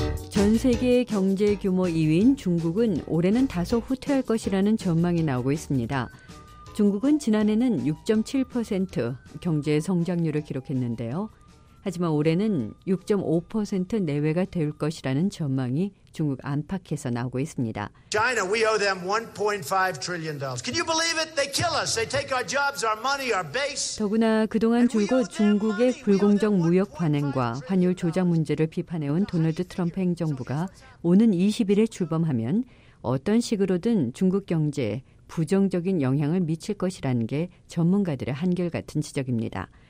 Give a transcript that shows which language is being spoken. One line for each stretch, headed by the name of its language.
Korean: 전 세계의 경제 규모 2위인 중국은 올해는 다소 후퇴할 것이라는 전망이 나오고 있습니다. 중국은 지난해는 6.7% 경제 성장률을 기록했는데요. 하지만 올해는 6.5% 내외가 될 것이라는 전망이 중국 안팎에서 나오고 있습니다.
English: China, we owe them $1.5 trillion. Can you believe it? They kill us. They take our jobs, our money, our base.
Korean: 더구나 그동안 줄곧 중국의 불공정 무역 관행과 환율 조작 문제를 비판해온 도널드 트럼프 행정부가 오는 20일에 출범하면 어떤 식으로든 중국 경제에 부정적인 영향을 미칠 것이라는 게 전문가들의 한결같은 지적입니다.